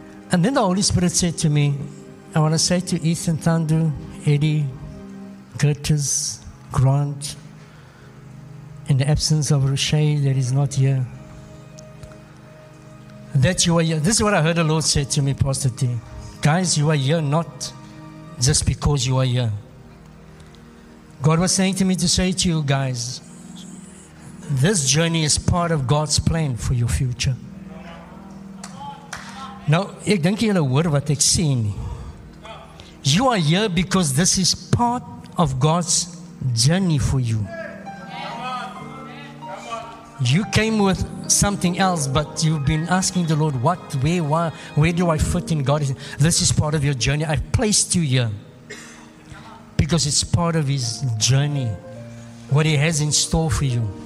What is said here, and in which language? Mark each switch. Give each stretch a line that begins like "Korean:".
English: And then the Holy Spirit said to me, I want to say to Ethan, Thandu, Eddie, Curtis, Grant, in the absence of Roche that is not here, that you are here. This is what I heard the Lord say to me, Pastor T. Guys, you are here not just because you are here. God was saying to me to say to you guys, this journey is part of God's plan for your future.
Afrikaans: Nou, ek dink jy hoor wat ek sê nie.
English: You are here because this is part of God's journey for you. You came with something else, but you've been asking the Lord, what, where, why, where do I fit in God? This is part of your journey. I've placed you here because it's part of His journey, what He has in store for you.